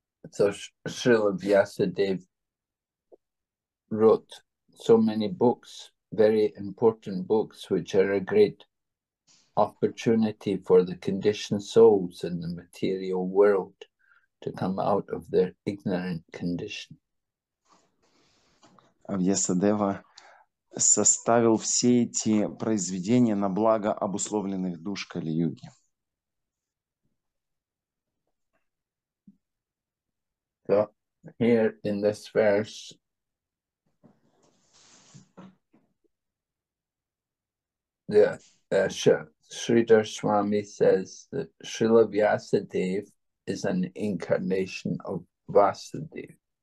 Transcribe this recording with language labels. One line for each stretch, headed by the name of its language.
English: So Srila Vyasadeva wrote so many books, very important books, which are a great opportunity for the conditioned souls in the material world to come out of their ignorant condition.
Russian: Вьясадева составил все эти произведения на благо обусловленных душ Кали-юги.
English: So here in this verse, the Sridhar Swami says that Srila Vyasadeva is an incarnation of Vasudeva.